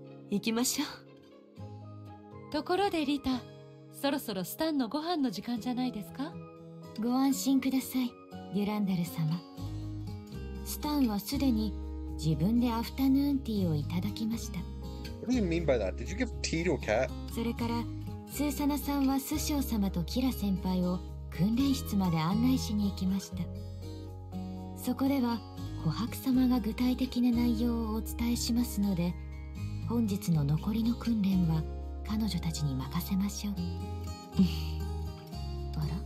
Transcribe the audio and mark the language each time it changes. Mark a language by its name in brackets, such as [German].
[Japanese] 行きましょう。ところでリタ、そろそろスタンのご飯の時間じゃないですか。ご安心ください、デュランダル様。スタンはすでに自分でアフタヌーンティーをいただきました。 [English] What do you mean by that? Did you give tea to a cat? [Japanese] それから、スーサナさんはスショウ様とキラ先輩を訓練室まで案内しに行きました。そこでは、琥珀様が具体的な内容をお伝えしますので、本日の残りの訓練は彼女たちに任せましょう。あら？